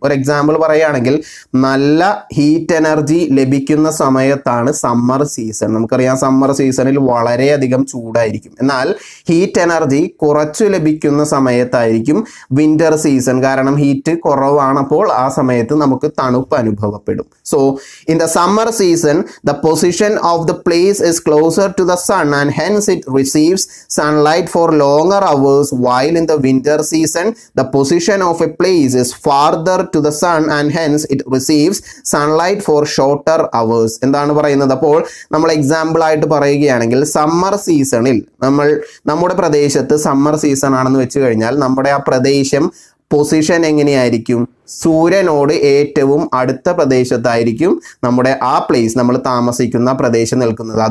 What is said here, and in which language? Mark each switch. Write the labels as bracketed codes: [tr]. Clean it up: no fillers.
[ml] ഒരു എക്സാമ്പിൾ പറയുകയാണെങ്കിൽ നല്ല ഹീറ്റ് എനർജി ലഭിക്കുന്ന സമയത്താണ് സമ്മർ സീസൺ. നമുക്കറിയാം സമ്മർ സീസണിൽ വളരെയധികം ചൂടായിരിക്കും. എന്നാൽ ഹീറ്റ് എനർജി കുറച്ചു ലഭിക്കുന്ന സമയത്തായിരിക്കും വിൻ്റർ സീസൺ. കാരണം ഹീറ്റ് കുറവാണപ്പോൾ ആ സമയത്ത് നമുക്ക് തണുപ്പ് അനുഭവപ്പെടും. [en] So in the summer season the position of the place is closer to the sun and hence it receives sunlight for longer hours, while in the winter season the position of a place is farther to the sun and hence it receives sunlight for shorter hours. [ml] എന്താണ് പറയുന്നത്? അപ്പോൾ നമ്മൾ example ആയിട്ട് പറയുകയാണെങ്കിൽ summer സീസണിൽ നമ്മൾ നമ്മുടെ പ്രദേശത്ത് സമ്മർ സീസൺ ആണെന്ന് വെച്ചു കഴിഞ്ഞാൽ നമ്മുടെ ആ പ്രദേശം പൊസിഷൻ എങ്ങനെയായിരിക്കും? സൂര്യനോട് ഏറ്റവും അടുത്ത പ്രദേശത്തായിരിക്കും നമ്മുടെ ആ പ്ലേസ്, നമ്മൾ താമസിക്കുന്ന പ്രദേശം നിൽക്കുന്നത്.